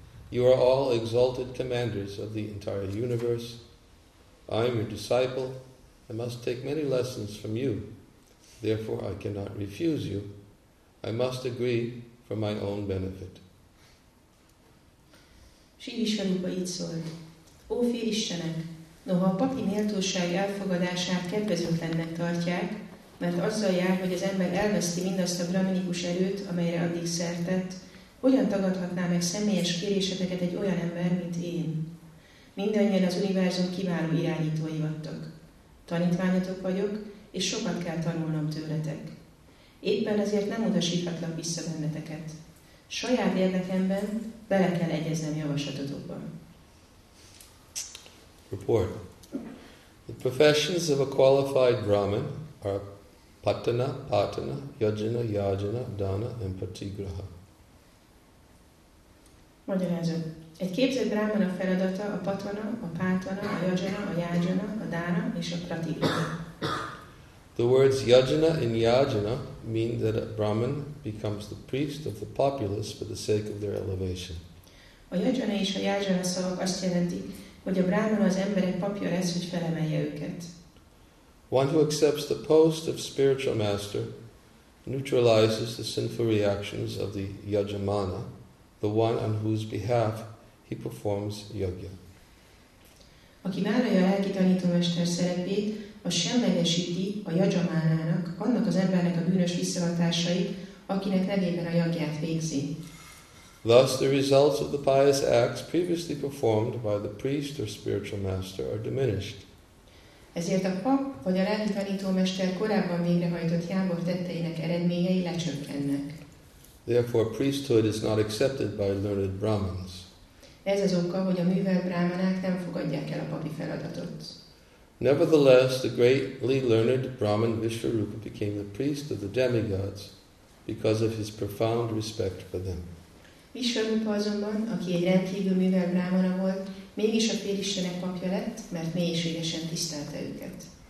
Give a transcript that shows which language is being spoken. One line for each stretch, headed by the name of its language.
English: You are all exalted commanders of the entire universe. I am your disciple. I must take many lessons from you. Therefore, I cannot refuse you. I must agree for my own benefit.
Hungarian: Shri Vishwarupa így szólt. Ó, fél Istenek! Noha a papi méltóság elfogadását kedvezőtlennek tartják, mert azzal jár, hogy az ember elveszti mindazt a brahminikus erőt, amelyre addig szert tett, hogyan tagadhatná meg személyes kéréseteket egy olyan ember, mint én? Mindannyian az univerzum kiváló irányítói vattak. Tanítványatok vagyok, és sokat kell tanulnom tőletek. Éppen ezért nem utasíthatlak vissza benneteket. Saját érdekemben bele kell egyeznem javaslatotokban.
English: Report. The professions of a qualified Brahmin are Patana, Patana, Yajana, Yajana, Dana and Patigraha.
Hungarian: Magyarázat. Egy képzett brámán a feladata a patana, a pátana, a yajana, a yajana, a dána és a pratigraha.
English: The words yajana and yajana mean that a brahman becomes the priest of the populace for the sake of their elevation.
Hungarian: A yajana és a yajana szavak azt jelenti, hogy a brámán az emberek papja lesz, hogy felemelje őket.
English: One who accepts the post of spiritual master neutralizes the sinful reactions of the yajamana, the one on whose behalf he performs yogya.
Hungarian: Aki vállalja a lelki tanítómester szerepét, az semlegesíti a jajamánának, annak az embernek a bűnös visszavatásai, akinek nevében a jagját végzi.
English: Thus the results of the pious acts previously performed by the priest or spiritual master are diminished.
Hungarian: Ezért a pap vagy a lelki tanítómester korábban végrehajtott jámbor tetteinek eredményei lecsökkennek.
English: Therefore priesthood is not accepted by learned Brahmins.
Hungarian: Ez az oka, hogy a művelt brámanák nem fogadják el a papi feladatot.
English: Nevertheless, the greatly learned Brahmin Vishvarupa became the priest of the demigods because of his profound respect for them.
Hungarian: Vishvarupa azonban, aki egy rendkívül művelt brámana volt, mégis a félistenek papja lett, mert mélységesen tisztelte őket.